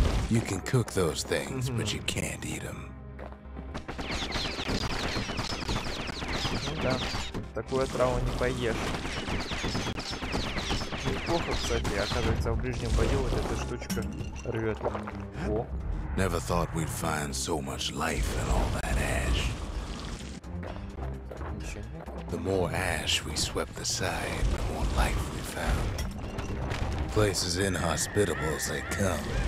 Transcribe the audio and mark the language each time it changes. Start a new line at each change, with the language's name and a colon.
English: You can cook those things, but you can't eat them.
Russian: Ну да, такую траву не поешь. Неплохо, кстати, оказывается, в ближнем бою вот эта штучка рвет. О.
English: Never thought we'd find so much life in all that ash. The more ash we swept aside, the more life we found. Places inhospitable as they come.